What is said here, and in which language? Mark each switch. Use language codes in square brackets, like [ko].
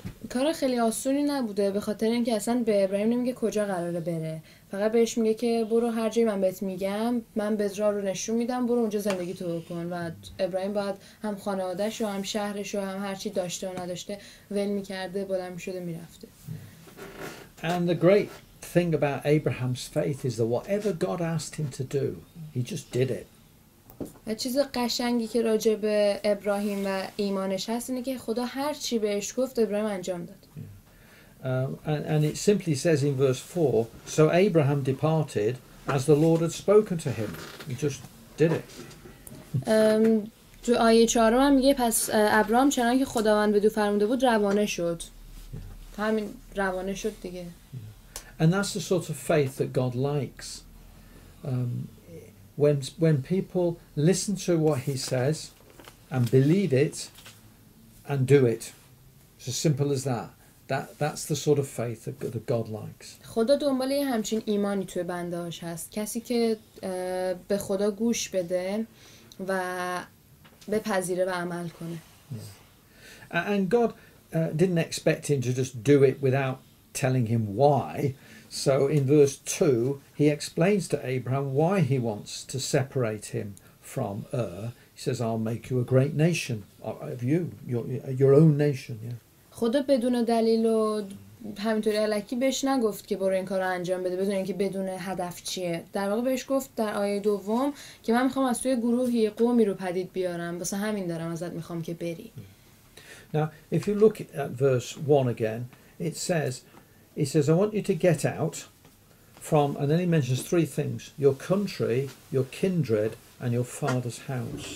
[fa] کار خیلی آسونی نبوده به خاطر اینکه اصلا به ابراهیم نمیگه کجا قراره بره، فقط بهش میگه که برو هر جایی من بهت میگم، من به راه رو نشون میدم، برو اونجا زندگی تو بکن. و ابراهیم باید هم خانوادهش و هم شهرش و هم هرچی داشته و نداشته ول میکرده، بلند میشده میرفته. [en] And the great thing about Abraham's faith is that whatever God asked him to do, he just did it. [fa] چیز قشنگی که راجع به ابراهیم و ایمانش هست اینه که خدا هر چی بهش گفت ابراهیم انجام داد. [en] And it simply says in verse 4, so Abraham departed as the Lord had spoken to him. He just did it. [fa] تو آیه 4 هم میگه پس ابراهیم چنان که خداوند به دو فرموده بود روانه شد. همین روانه شد دیگه. [en] And that's the sort of faith that God likes. When people listen to what he says and believe it and do it, it's as simple as that. That's the sort of faith that God likes. [fa] خدا دنبال یه همچین ایمانی توی بنده هاش هست. کسی که به خدا گوش بده و بپذیره و عمل کنه. [en] Yeah. And God didn't expect him to just do it without telling him why. So in verse 2, he explains to Abraham why he wants to separate him from Ur. He says, I'll make you a great nation of you, your own nation. Yeah. [fa] خدا بدون دلیل و همینطوری الکی بهش نگفت که برو این کار رو انجام بده بدون اینکه بدون هدف چیه. در واقع بهش گفت در آیه دوم که من میخوام از توی گروهی قومی رو پدید بیارم. بسه همین دارم ازت میخوام که بری. [en] Now, if you look at verse 1 again, it says, I want you to get out from, and then he mentions three things, your country, your kindred, and your father's house.